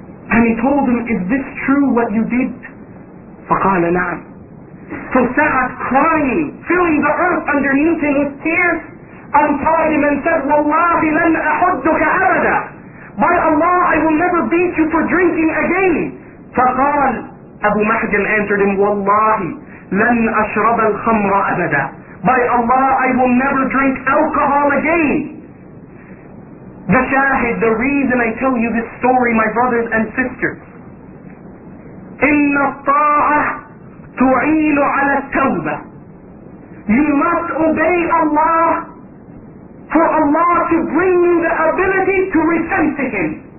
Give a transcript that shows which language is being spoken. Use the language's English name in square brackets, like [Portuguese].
[English] And he told him, "Is this true what you did?" [Arabic] فَقَالَ نَعَمْ. [English] So Sa'd, crying, filling the earth underneath him with tears, untied him and said, وَاللَّهِ لَنْ أَحُدُّكَ أَبَدًا. By Allah, I will never beat you for drinking again. [Arabic] فَقَالَ Abu Mahjan answered him, وَاللَّهِ لَنْ أَشْرَبَ الْخَمْرَ أَبَدًا. [English] By Allah, I will never drink alcohol again. The shahid, the reason I tell you this story, my brothers and sisters, إِنَّ الطَّاعَةِ تُعِينُ عَلَى التَّوْبَةِ. You must obey Allah for Allah to bring you the ability to return to Him.